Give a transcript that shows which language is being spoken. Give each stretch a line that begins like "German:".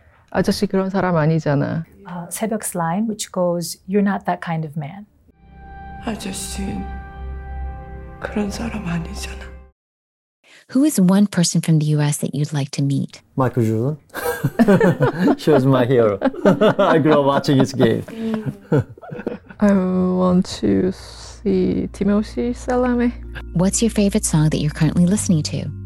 Korean: 아저씨 그런 사람 아니잖아.
English: Sebyeok's line, which goes, you're not that kind of man.
Korean: 아저씨 그런 사람 아니잖아.
English: Who is one person from the U.S. that you'd like to meet? Michael Jordan. He was my hero. I grew up watching his game. I want to see... 이 디모시 살라메. What's your favorite song that you're currently listening to?